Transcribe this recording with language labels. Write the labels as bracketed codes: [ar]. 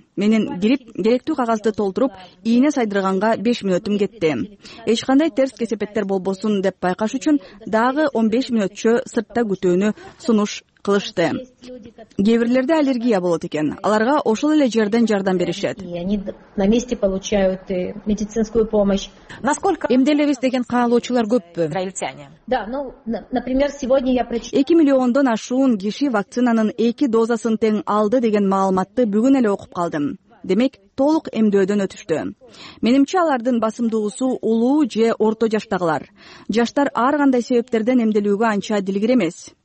[ky] Менин кирип, керектүү кагазды толтуруп, ийне сайдырганга 5 мүнөтүм кетти. Эч кандай терс кесепеттер болбосун деп байкаш үчүн дагы 15 мүнөтчө сыртта күтүүнү сунуш кылышты. Кээ бирлерде аллергия болот экен. Аларга ошол эле жерден жардам беришет. [ru] Они на месте получают медицинскую помощь. Насколько [ky] эмделебиз деген каалоочулар көппү? [ru] Израильтяне. Да, ну, например, сегодня я прочитал. [ky] 2 миллиондон ашуун киши вакцинанын 2 дозасын тең алды деген маалыматты бүгүн эле окуп калдым. Демек, толук эмдөөдөн өтүштү. Менимче алардын басымдуусу улуу же орто жаштагылар. Жаштар ар кандай себептерден эмделүүгө анча дилгир эмес.